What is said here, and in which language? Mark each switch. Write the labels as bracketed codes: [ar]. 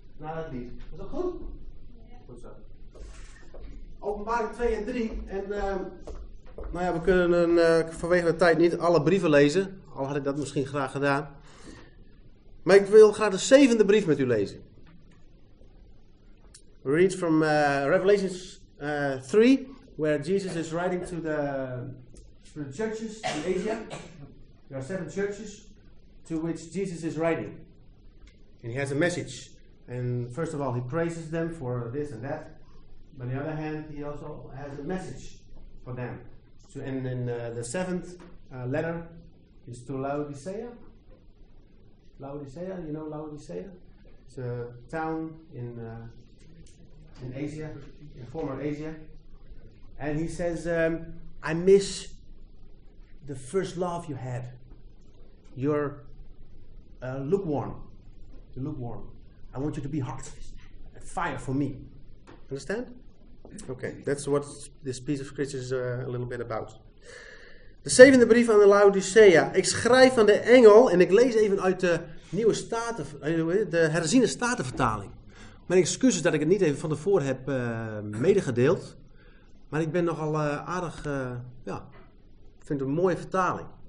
[nl] Naar dat lied. Is dat goed? Ja. Goed zo. Openbaring 2 en 3. We kunnen vanwege de tijd niet alle brieven lezen. Al had ik dat misschien graag gedaan. Maar ik wil graag de 7e brief met u lezen. [en] We read from Revelation 3, where Jesus is writing to the churches in Asia. There are 7 churches to which Jesus is writing. And he has a message. And first of all, he praises them for this and that. But on the other hand, he also has a message for them. So, and then the 7th letter is to Laodicea. Laodicea, you know Laodicea? It's a town in Asia, in former Asia. And he says, I miss the first love you had. You're lukewarm. You're lukewarm. I want you to be hot. Fire for me. Understand? Okay, that's what this piece of scripture is a little bit about. [nl] De 7e brief aan de Laodicea. Ik schrijf aan de engel, en ik lees even uit de Nieuwe Staten, de herziene Statenvertaling. Mijn excuses dat ik het niet even van tevoren heb medegedeeld. Maar ik ben nogal aardig, vind het een mooie vertaling.